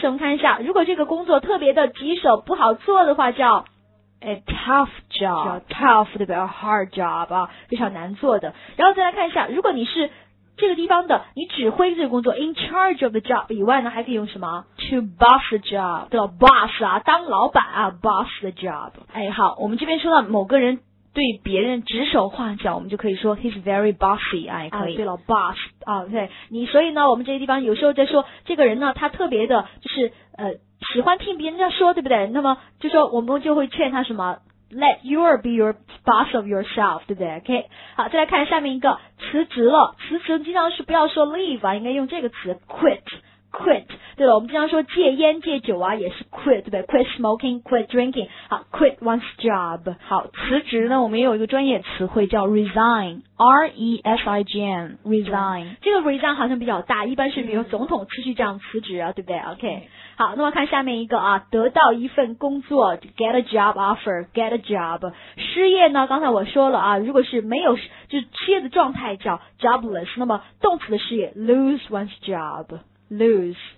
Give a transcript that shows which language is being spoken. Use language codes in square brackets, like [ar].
[zh] 我们看一下，如果这个工作特别的棘手、不好做的话，叫 [en] a tough job. [zh] Tough 对不对 ？ [en] A hard job [zh] 啊，非常难做的。然后再来看一下，如果你是这个地方的，你指挥这个工作 ， [en] in charge of the job [zh] 以外呢，还可以用什么 [en] ？To boss the job. [zh] 对吧 ？Boss 啊，当老板啊 ， [en] boss the job. [zh] 哎，好，我们这边说到某个人。对别人指手画脚，我们就可以说 [en] he's very bossy [zh] 啊，也可以。啊、对了 ，boss 啊，对你，所以呢，我们这些地方有时候在说这个人呢，他特别的，就是喜欢听别人家说，对不对？那么就说我们就会劝他什么 [en] let you be your boss of yourself, [zh] 对不对 ？OK， 好，再来看下面一个，辞职了，辞职经常是不要说 leave 啊，应该用这个词 quit， 对了，我们经常说戒烟戒酒啊，也是 quit， 对不对 ？ [en] quit smoking， quit drinking， [zh] 好 ， [en] quit one's job， [zh] 好，辞职呢，我们也有一个专业词汇叫 resign， R E S I G N， resign，这个 resign 好像比较大，一般是比如总统出去这样辞职啊，对不对 ？OK。好，那么看下面一个啊，得到一份工作 ， [en] get a job offer，get a job。 [zh] 失业呢？刚才我说了啊，如果是没有就是失业的状态叫 jobless， 那么动词的失业 [en] lose one's job， [zh] lose。